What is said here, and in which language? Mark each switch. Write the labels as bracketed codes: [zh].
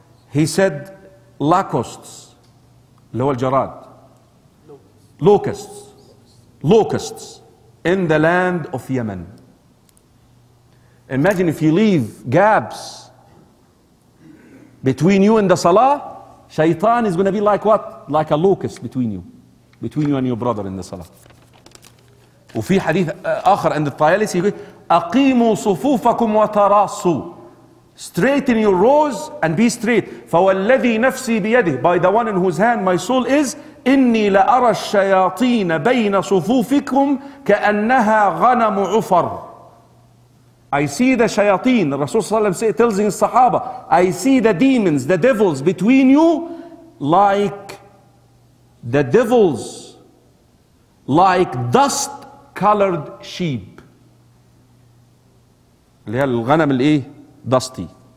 [en] He said, locusts. [ar] اللي هو الجراد. [en] Locusts. Locusts. In the land of Yemen. Imagine if you leave gaps between you and the salah, shaitan is going to be like what? Like a locust between you. Between you and your brother in the salah. [ar] وفي حديث آخر عند الطيالسي يقول أقيموا صفوفكم وتراصوا. [en] Straighten your rows and be straight. [ar] فوالذي نفسي بيده. [en] By the one in whose hand my soul is. [ar] إني لأرى الشياطين بين صفوفكم كأنها غنم عفر. [en] I see the shayateen. Rasul Sallallahu Alaihi Wasallam tells his sahaba, I see the demons, the devils between you, like dust colored sheep. [ar] اللي هي الغنم اللي ايه? Dusty.